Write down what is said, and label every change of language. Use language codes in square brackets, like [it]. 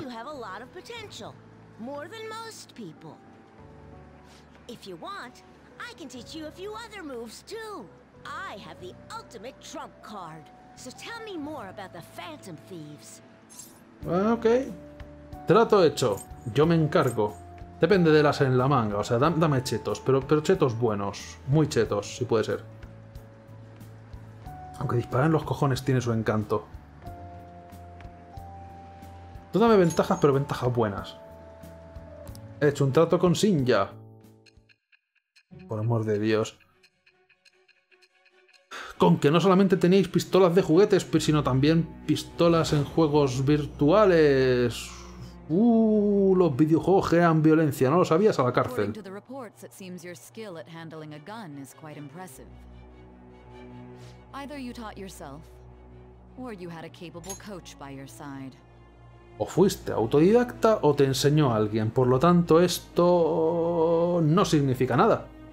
[en] You have a lot of potential, more than most people. If you want, I can teach you a few other moves too. I have the ultimate trump card. So tell me more about the Phantom Thieves. [es] Okay. Trato hecho. Yo me encargo. Depende de las en la manga, o sea, dame chetos, pero chetos buenos, muy chetos, si puede ser. Aunque disparar en los cojones tiene su encanto. Tú dame ventajas, pero ventajas buenas. He hecho un trato con Shinya. Por amor de Dios. Con que no solamente tenéis pistolas de juguetes, sino también pistolas en juegos virtuales. Los videojuegos crean violencia, ¿no lo sabías? A la cárcel. Según los reportes, parece que tu habilidad de manejar una arma es bastante impresionante. [en] Either you taught yourself, or you had a capable coach by your side. [es] O fuiste autodidacta o te enseñó alguien. Por lo tanto, esto no significa nada.